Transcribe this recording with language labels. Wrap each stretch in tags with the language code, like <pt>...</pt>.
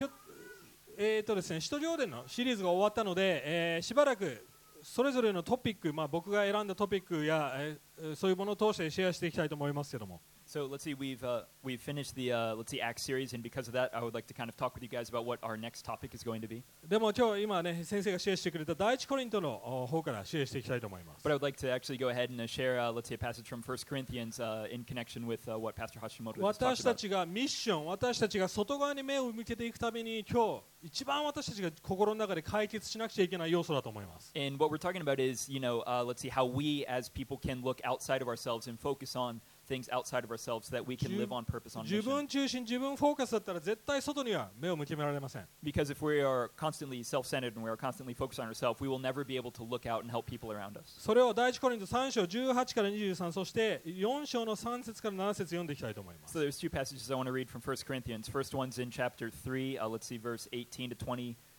<ja>ですね、使徒行伝のシリーズが終わったので、しばらくそれぞれのトピック、まあ、僕が選んだトピックや、そういうものを通してシェアしていきたいと思いますけども。</ja> <en>So let's see, we've finished the let's see Acts series, and because of that, I would like to kind of talk with you guys about what our next topic is going to be.</en> <ja>でも今日今ね先生がシェアしてくれた第一コリントの方からシェアしていきたいと思います。</ja> <en>But I would like to actually go ahead and share let's see a passage from 1 Corinthians in connection with what Pastor Hashimoto was talking about.</en> <ja>私たちがミッション、私たちが外側に目を向けていくために今日。一番私たちが心の中で解決しなくちゃいけない要素だと思います。</ja> <en>And what we're talking about is, you know, let's see how we as people can look outside of ourselves and focus on things outside of ourselves so that we can live on purpose on mission.</en> <ja>自分中心、自分フォーカスだったら絶対外には目を向けられません。</ja> <en>Because if we are constantly self-centered and we are constantly focused on ourselves, we will never be able to look out and help people around us.</en> <ja>それを第一コリント3章18から23、そして4章の3節から7節読んでいきたいと思います。</ja> <en>So there's two passages I want to read from 1 Corinthians. First one's in chapter 3, let's see verse 8.</en>